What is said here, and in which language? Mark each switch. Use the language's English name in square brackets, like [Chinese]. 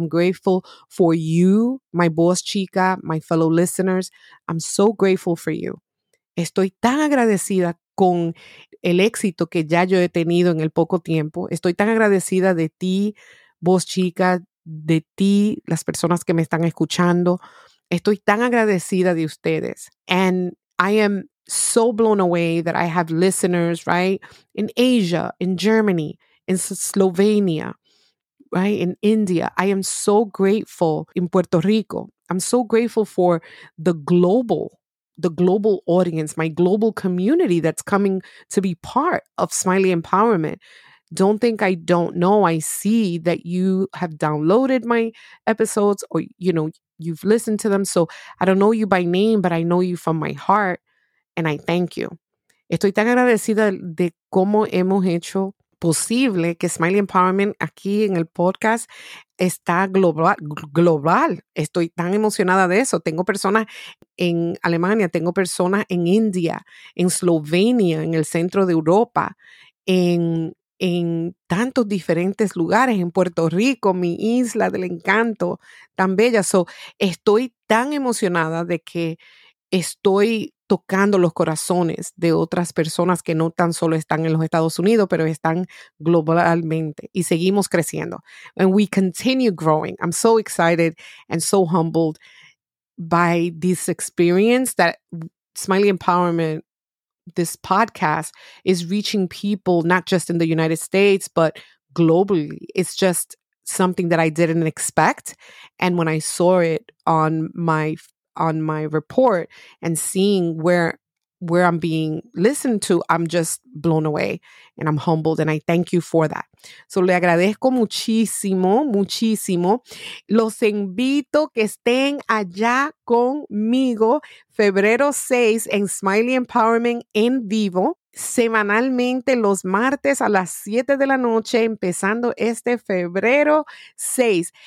[English] I'm grateful for you, my boss chica, my fellow listeners. I'm so grateful for you. [Spanish] Estoy tan agradecida con el éxito que ya yo he tenido en el poco tiempo. Estoy tan agradecida de ti, voz chica, de ti, las personas que me están escuchando. Estoy tan agradecida de ustedes. [English] And I am so blown away that I have listeners, right, in Asia, in Germany, in Slovenia, right, in India. I am so grateful in Puerto Rico. I'm so grateful for the global audience, my global community that's coming to be part of Smiley Empowerment. Don't think I don't know. I see that you have downloaded my episodes or, you know, you've listened to them. So I don't know you by name, but I know you from my heart. And I thank you. [Spanish] Estoy tan agradecida de cómo hemos hecho posible que Smiley Empowerment aquí en el podcast está global. Estoy tan emocionada de eso. Tengo personas en Alemania, tengo personas en India, en Slovenia, en el centro de Europa, en tantos diferentes lugares, en Puerto Rico, mi isla del encanto, tan bella. So, estoy tan emocionada de que estoy tocando los corazones de otras personas que no tan solo están en los Estados Unidos, pero están globalmente y seguimos creciendo. [English] And we continue growing. I'm so excited and so humbled by this experience that Smiley Empowerment, this podcast, is reaching people not just in the United States, but globally. It's just something that I didn't expect. And when I saw it on my report and seeing where I'm being listened to, I'm just blown away and I'm humbled and I thank you for that. [Spanish] So le agradezco muchísimo, muchísimo. Los invito que estén allá conmigo febrero 6 en Smiley Empowerment en vivo. Semanalmente los martes a las 7 de la noche, empezando este febrero 6.